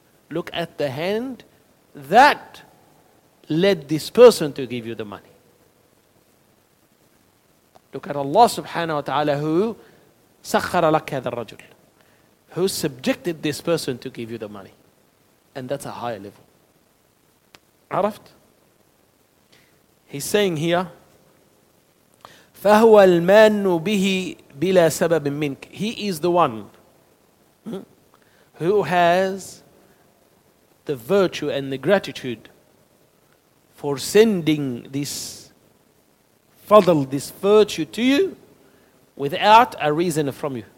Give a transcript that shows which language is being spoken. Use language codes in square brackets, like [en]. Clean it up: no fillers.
[en] Look at the hand that led this person to give you the money. Look at Allah subhanahu wa ta'ala who [ar] sakhara lak hadha ar-rajul, [en] who subjected this person to give you the money. And that's a higher level. [ar] Araft? [en] He's saying here, [ar] فهو المان به بلا سبب منك. [en] He is the one who has the virtue and the gratitude for sending this fadl, this virtue to you without a reason from you.